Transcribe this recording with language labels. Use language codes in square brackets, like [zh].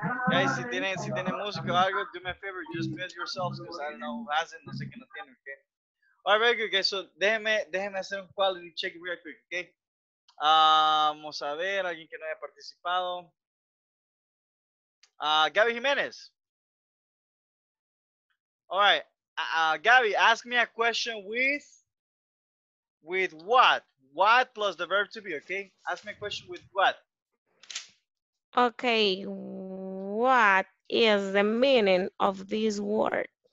[en] Guys, [es] si tienen música o algo, [en] do me a favor, just mute yourselves, because I don't know who has it, [es] no sé qué no tiene, [en] okay? All right, very good, guys, so [es] déjeme hacer un [en] quality check real quick, okay? [es] Vamos a ver, alguien que no haya participado. Gaby Jiménez. [en] All right, Gaby, ask me a question with what? What plus the verb to be, okay? Ask me a question with what? Okay, what is the meaning of this word?